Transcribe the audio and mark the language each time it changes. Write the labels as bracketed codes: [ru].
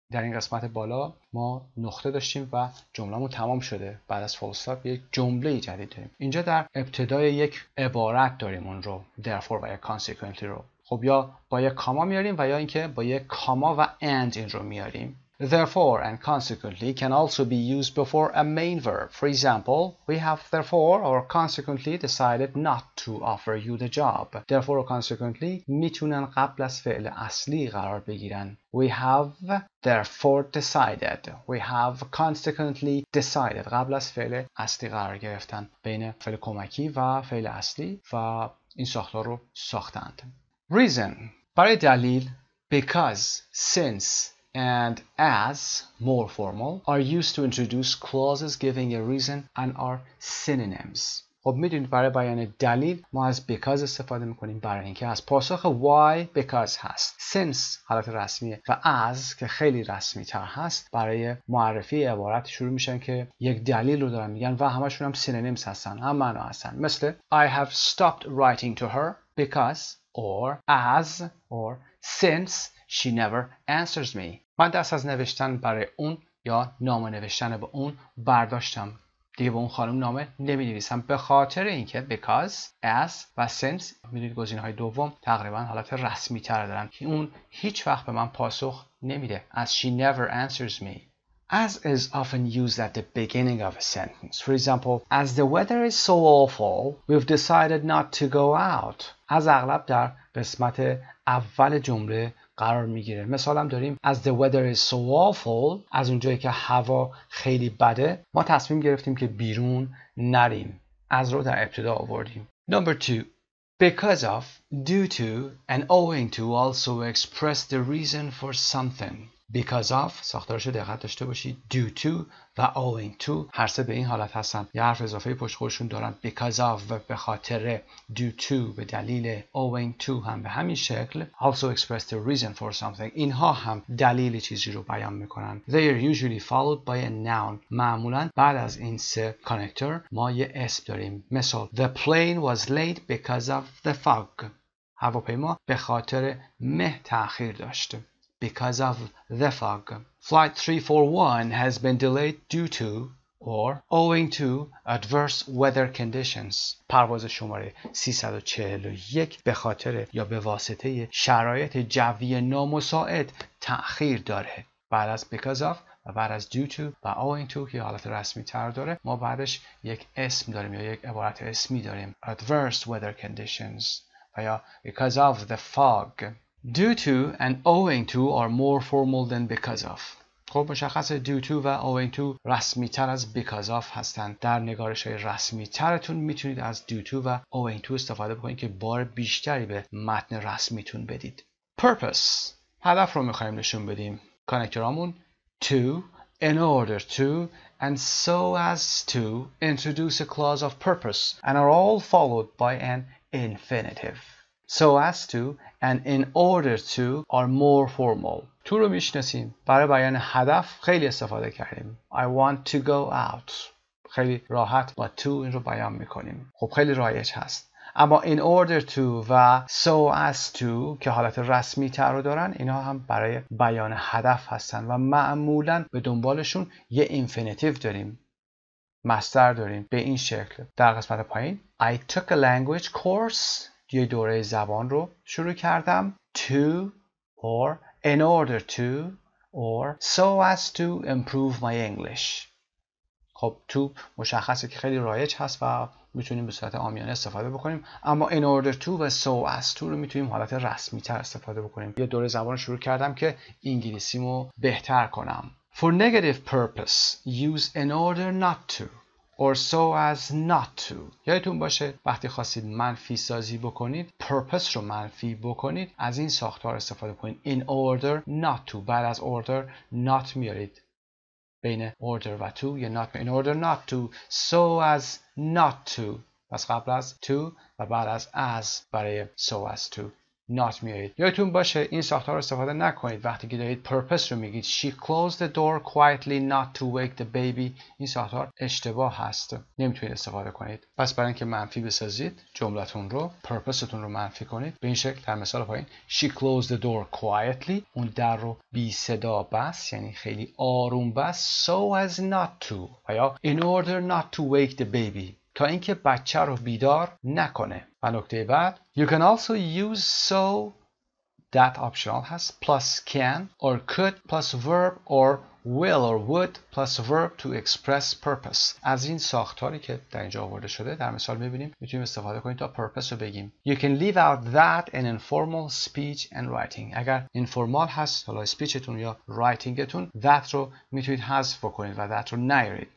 [fa] در این قسمت بالا ما نقطه داشتیم و جمله‌مون تمام شده. بعد از فول استاپ یک جمله جدید داریم. اینجا در ابتدای یک عبارت داریم اون رو، therefore و یا consequently رو. خب یا با یک کاما میاریم و یا اینکه با یک کاما و and این رو میاریم. [en] Therefore and consequently can also be used before a main verb. For example, we have therefore or consequently decided not to offer you the job. [fa] Therefore or consequently میتونن قبل از فعل اصلی قرار بگیرن. [en] We have therefore decided. We have consequently decided. [fa] قبل از فعل اصلی قرار گرفتن بین فعل کمکی و فعل اصلی و این ساختار رو ساختند. [en] Reason. [fa] برای دلیل. [en] Because. Since. And as, more formal, are used to introduce clauses giving a reason and are synonyms. [fa] خب میدونید برای بیان دلیل ما از because استفاده میکنیم، برای اینکه از پاسخ why because هست. Since حالت رسمیه و as که خیلی رسمی تر هست برای معرفی عبارت شروع میشن که یک دلیل رو دارن میگن و همشون هم synonyms هستن، هم معنا هستن. [en] مثل I have stopped writing to her because or as or since she never answers me. [fa] من دست از نوشتن برای اون یا نامه نوشتن به اون برداشتم. دیگه به اون خانم نامه نمی نویسم به خاطر اینکه because, as و since می دونید گزینه‌های دوم تقریبا حالت رسمی تر دارن که اون هیچ وقت به من پاسخ نمیده. [en] As she never answers me. As is often used at the beginning of a sentence. For example, as the weather is so awful, we've decided not to go out. [fa] As اغلب در قسمت اول جمله قرار میگیره. مثال هم داریم [en] as the weather is so awful، [fa] از اونجایی که هوا خیلی بده ما تصمیم گرفتیم که بیرون نریم. از رو در ابتدا آوردیم. [en] Number 2. Because of, due to and owing to also express the reason for something. [fa] Because of ساختارشو دقت داشته باشید. Due to و owing to هر سه به این حالت هستن، یه حرف اضافه پشت خودشون دارن. Because of به خاطر، due to به دلیل، owing to هم به همین شکل. [en] Also express the reason for something، [fa] اینها هم دلیل چیزی رو بیان میکنن. [en] They are usually followed by a noun، [fa] معمولا بعد از این سه کانکتور ما یه اسم داریم. مثال [en] The plane was late because of the fog، [fa] هواپیما به خاطر مه تأخیر داشت. [en] Because of the fog. Flight 341 has been delayed due to or owing to adverse weather conditions. [fa] پرواز شماره 341 به خاطر یا به واسطه شرایط جوی نامساعد تأخیر داره. بعد از because of و بعد از due to و owing to که حالت رسمی تر داره، ما بعدش یک اسم داریم یا یک عبارت اسمی داریم. [en] Adverse weather conditions و یا because of the fog. Due to and owing to are more formal than because of. [fa] خب مشخصه due to و owing to رسمی تر از because of هستند. در نگارش های رسمی ترتون میتونید از due to و owing to استفاده بکنید که بار بیشتری به متن رسمیتون بدید. [en] Purpose. [fa] هدف رو میخواییم نشون بدیم. [en] کانکترامون to, in order to, and so as to introduce a clause of purpose and are all followed by an infinitive. So as to and in order to are more formal. [fa] تو رو میشناسیم. برای بیان هدف خیلی استفاده کردیم. [en] I want to go out. [fa] خیلی راحت با to این رو بیان میکنیم. خب خیلی رایج هست. اما in order to و so as to که حالت رسمی تر رو دارن، اینا هم برای بیان هدف هستن و معمولا به دنبالشون یه اینفینیتیو داریم. مصدر داریم به این شکل. در قسمت پایین [en] I took a language course. [fa] یه دوره زبان رو شروع کردم. [en] To or in order to or so as to improve my English. [fa] خب to مشخصه که خیلی رایج هست و میتونیم به صورت عامیانه استفاده بکنیم، اما in order to و so as to رو میتونیم حالت رسمی تر استفاده بکنیم. یه دوره زبان رو شروع کردم که انگلیسیمو بهتر کنم. [en] For negative purpose use in order not to or so as not to. [fa] یادتون باشه وقتی خواستید منفی سازی بکنید، purpose رو منفی بکنید، از این ساختار استفاده کنید. [en] In order not to. [fa] بعد از order not میارید. [en] بین order و to یا not. In order not to. So as not to. پس قبل از to و بعد از as برای so as to. [fa] not میارید. یادتون باشه این ساختار رو استفاده نکنید وقتی که دارید purpose رو میگید. [en] She closed the door quietly not to wake the baby. [fa] این ساختار اشتباه هست. نمیتونید استفاده کنید. پس برای اینکه منفی بسازید جملتون رو، purposeتون رو منفی کنید. به این شکل در مثال پایین [en] She closed the door quietly. [fa] اون در رو بی صدا بست، یعنی خیلی آروم بست. [en] So as not to. یا in order not to wake the baby. [fa] تا اینکه بچه رو بیدار نکنه. [en] و نکته بعد You can also use so that optional has plus can or could plus verb or will or would plus verb to express purpose. [fa] از این ساختاری که در اینجا آورده شده در مثال میبینیم میتونیم استفاده کنیم تا purpose رو بگیم. [en] You can leave out that in informal speech and writing. [fa] اگر informal هست حالا speechتون یا writingتون that رو میتونید حذف کنید و that رو نیارید.